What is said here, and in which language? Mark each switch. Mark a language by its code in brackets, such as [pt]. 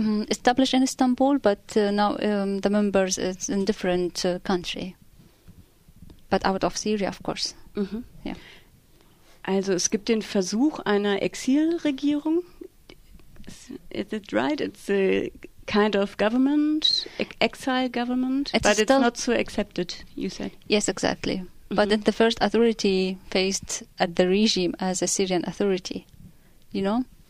[en] Established in Istanbul, but now the members is in different country, but out of Syria, of course. Mm-hmm. Yeah. [de] Also, es gibt den Versuch einer Exilregierung. [en] Is it right? It's a kind of government, exile government, it's not so accepted. You said yes, exactly. Mm-hmm. But it's the first authority faced at the regime as a Syrian authority, you know.